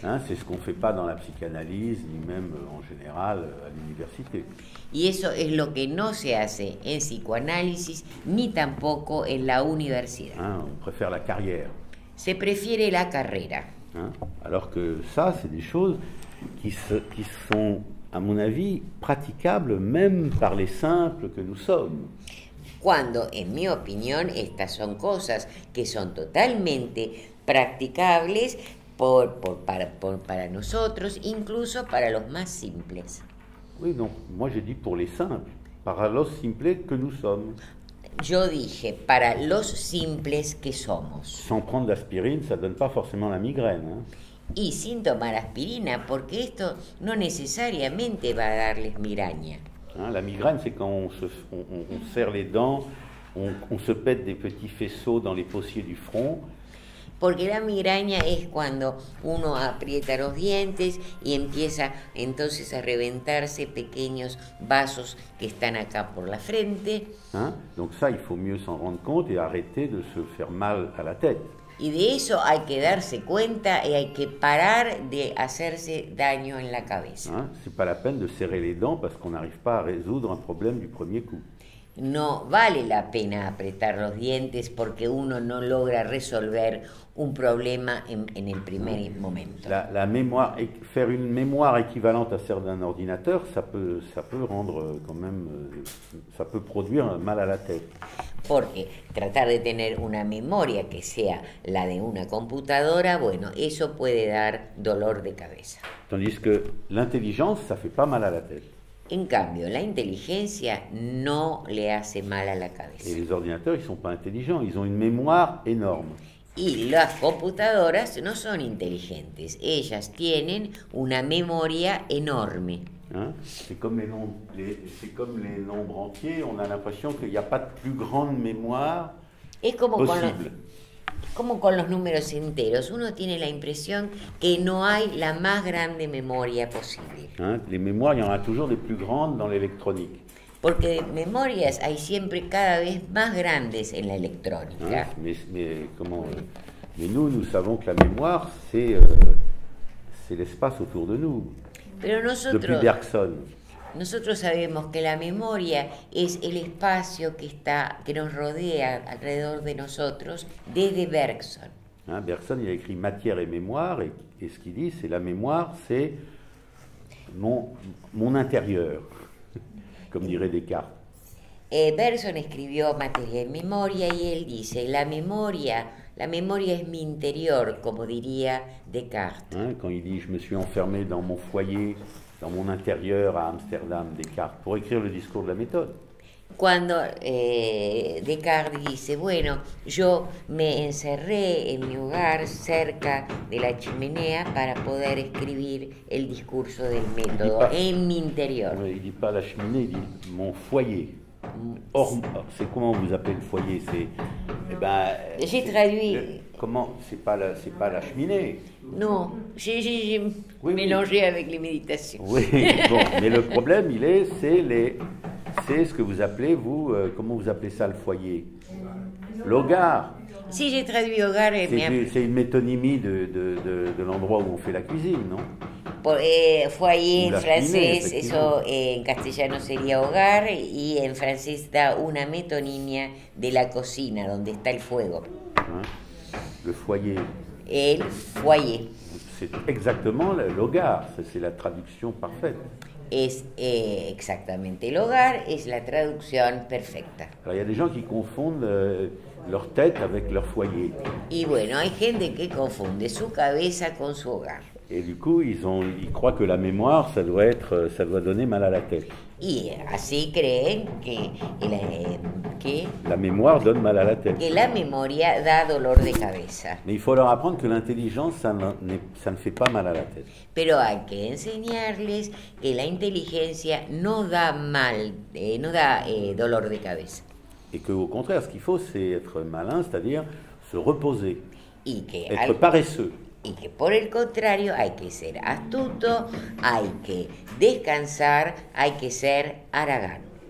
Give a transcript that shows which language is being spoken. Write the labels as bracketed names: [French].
[French] Hein, c'est ce qu'on ne fait pas dans la psychanalyse, ni même en général à l'université. [Spanish] Y eso es lo que no se hace en psicoanálisis, ni tampoco en la universidad. [French] Hein, on préfère la carrière. [Spanish] Se prefiere la carrera. [French] Hein, alors que ça, c'est des choses qui sont, à mon avis, praticables même par les simples que nous sommes. [Spanish] Cuando, en mi opinión, estas son cosas que son totalmente practicables para nosotros, incluso para los más simples. [French] Oui, donc, moi j'ai dit pour les simples, [Spanish] para los simples [French] que nous sommes. [Spanish] Yo dije, para los simples que somos. [French] Sans prendre d'aspirine, ça donne pas forcément la migraine. Hein. [Spanish] Y sin tomar aspirina, porque esto no necesariamente va a darles migraña. [French] Hein, la migraine, c'est quand on serre les dents, on se pète des petits faisceaux dans les fossiles du front. [Spanish] Porque la migraña es cuando uno aprieta los dientes y empieza entonces a reventarse pequeños vasos que están acá por la frente. [French] Hein? Donc ça, il faut mieux s'en rendre compte et arrêter de se faire mal à la tête. [Spanish] Y de eso hay que darse cuenta y hay que parar de hacerse daño en la cabeza. [French] Hein? C'est pas la peine de serrer les dents parce qu'on n'arrive pas à résoudre un problème du premier coup. [Spanish] No vale la pena apretar los dientes porque uno no logra resolver un problema en el primer momento. [French] La mémoire, faire une mémoire équivalente à celle d'un ordinateur, ça peut rendre quand même, ça peut produire mal à la tête. [Spanish] Porque tratar de tener una memoria que sea la de una computadora, bueno, eso puede dar dolor de cabeza. [French] Tandis que l'intelligence, ça fait pas mal à la tête. [Spanish] En cambio, la inteligencia no le hace mal a la cabeza. Y los ordenadores no son inteligentes, [French] ils ont une mémoire énorme. [Spanish] Y las computadoras no son inteligentes, ellas tienen una memoria enorme. Es como los [French] nombres entiers, [Spanish] on a la impresión que no hay más grande memoria posible. Como con los números enteros, uno tiene la impresión que no hay la más grande memoria posible. [French] Hein, les mémoires, il y en a toujours des plus grandes dans l'électronique. [Spanish] Porque memorias hay siempre cada vez más grandes en la electrónica. [French] Hein, mais nous savons que la mémoire c'est l'espace autour de nous. [Spanish] Pero nosotros, [French] depuis Bergson. [Spanish] Nosotros sabemos que la memoria es el espacio que nos rodea alrededor de nosotros desde Bergson. [French] Hein, Bergson, il a écrit matière et mémoire, et ce qu'il dit, c'est la mémoire, c'est mon intérieur, comme dirait Descartes. [Spanish] Bergson escribió materia y memoria, y él dice, la memoria es mi interior, como diría Descartes. [French] Hein, quand il dit, je me suis enfermé dans mon foyer, dans mon intérieur à Amsterdam, Descartes, pour écrire le discours de la méthode. [Spanish] Cuando Descartes dice, bueno, yo me encerré en mi hogar cerca de la chimenea para poder escribir el discurso del método en mi interior. [French] Oui, il ne dit pas la cheminée, il dit mon foyer. Or, c'est comment vous appelez le foyer? C'est, eh ben, j'ai traduit. Comment? C'est pas la cheminée. Non, j'ai oui, mélangé avec les méditations. Oui, bon, mais le problème, c'est ce que vous appelez, vous, comment vous appelez ça, le foyer? [Spanish] L'hogar. [French] Si, j'ai traduit hogar. C'est une métonymie de l'endroit où on fait la cuisine, non? [Spanish] Foyer en francés, eso en castellano sería hogar, y en francés da una metonimia de la cocina, donde está el fuego. [French] Hein? Le foyer. [Spanish] El foyer. [French] C'est exactement l'hogar, c'est la traduction parfaite. [Spanish] Es exactamente l'hogar, es la traducción perfecta. [French] Alors, il y a des gens qui confondent leur tête avec leur foyer. [Spanish] Y bueno, hay gente que confunde su cabeza con su hogar. [French] Et du coup, ils croient que la mémoire, ça doit donner mal à la tête. [Spanish] Y así creen que, que [French] la mémoire donne mal à la tête. [Spanish] Que la memoria da dolor de cabeza. [French] Mais il faut leur apprendre que l'intelligence, ça ne fait pas mal à la tête. [Spanish] Pero hay que enseñarles que la inteligencia no da mal, no da dolor de cabeza. [French] Et que au contraire, ce qu'il faut, c'est être malin, c'est-à-dire se reposer, [Spanish] y que [French] être paresseux. [Spanish] Y que por el contrario hay que ser astuto, hay que descansar, hay que ser haragán.